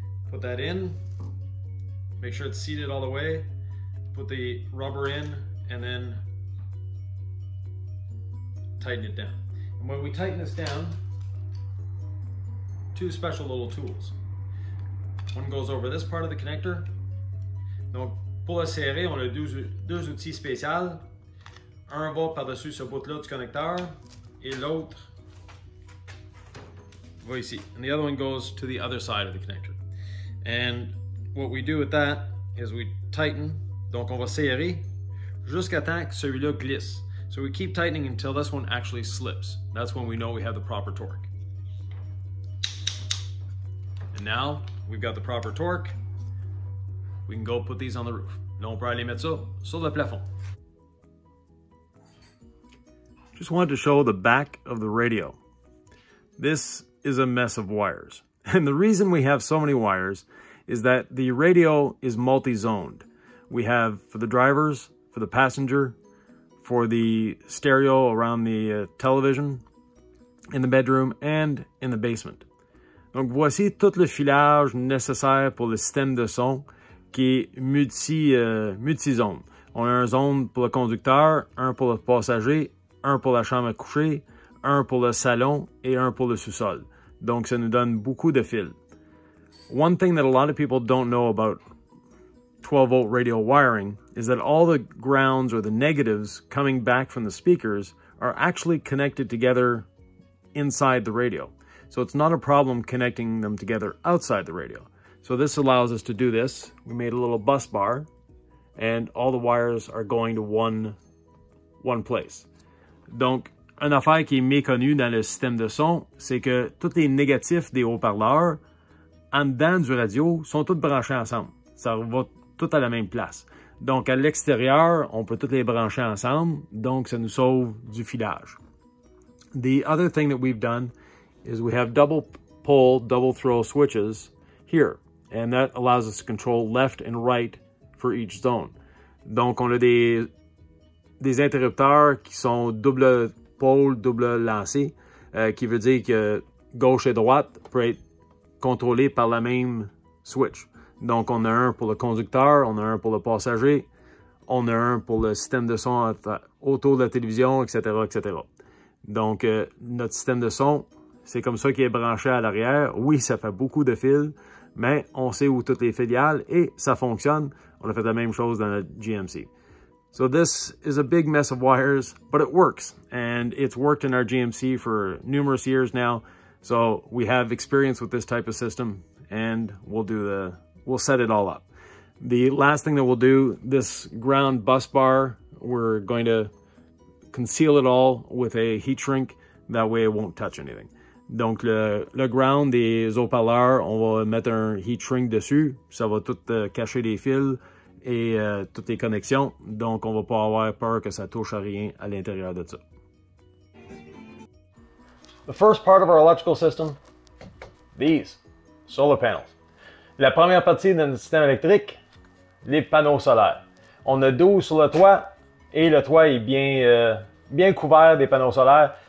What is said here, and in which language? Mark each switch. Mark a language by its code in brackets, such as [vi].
[en] Put that in. Make sure it's seated all the way. Put the rubber in, and then tighten it down. And when we tighten this down, two special little tools. One goes over this part of the connector. [fr] Donc, pour le serrer, on a deux outils spéciaux. Un va par-dessus ce bout-là du connecteur, et l'autre va ici. [en] And the other one goes to the other side of the connector. And what we do with that is we tighten. [fr] Donc, on va serrer jusqu'à temps que celui-là glisse. [en] So we keep tightening until this one actually slips. That's when we know we have the proper torque. And now we've got the proper torque. We can go put these on the roof. [fr] Non, on peut aller mettre ça sur le plafond. [en] Just wanted to show the back of the radio. This is a mess of wires. And the reason we have so many wires is that the radio is multi-zoned. We have for the drivers, for the passenger, for the stereo around the television, in the bedroom, and in the basement. [fr] Donc voici tout le filage nécessaire pour le système de son qui est multi-zone. On a un zone pour le conducteur, un pour le passager, un pour la chambre à coucher, un pour le salon et un pour le sous-sol. Donc, ça nous donne beaucoup de fils. [en] One thing that a lot of people don't know about 12-volt radio wiring is that all the grounds or the negatives coming back from the speakers are actually connected together inside the radio. So it's not a problem connecting them together outside the radio. So this allows us to do this. We made a little bus bar and all the wires are going to one place. [fr] Donc, une affaire qui est méconnue dans le système de son, c'est que tous les négatifs des haut-parleurs en dedans du radio sont tous branchés ensemble. Ça va tout à la même place. Donc, à l'extérieur, on peut toutes les brancher ensemble. Donc, ça nous sauve du filage. [en] The other thing that we've done is we have double pull, double throw switches here. And that allows us to control left and right for each zone. [fr] Donc, on a des interrupteurs qui sont double pull, double lancé, qui veut dire que gauche et droite peuvent être contrôlés par la même switch. Donc, on a un pour le conducteur, on a un pour le passager, on a un pour le système de son autour de la télévision, etc., etc. Donc, notre système de son, c'est comme ça qu'il est branché à l'arrière. Oui, ça fait beaucoup de fils, mais on sait où toutes les filiales et ça fonctionne. On a fait la même chose dans notre GMC. [en] So, this is a big mess of wires, but it works. And it's worked in our GMC for numerous years now. So, we have experience with this type of system and we'll set it all up. The last thing that we'll do, this ground bus bar, we're going to conceal it all with a heat shrink. That way it won't touch anything. [fr] Donc le ground des haut-parleurs, on va mettre un heat shrink dessus. Ça va tout cacher les fils et toutes les connexions. Donc on va pas avoir peur que ça touche à rien à l'intérieur de ça. [en] The first part of our electrical system, these solar panels. [fr] La première partie de notre système électrique, les panneaux solaires. On a 12 sur le toit et le toit est bien couvert des panneaux solaires.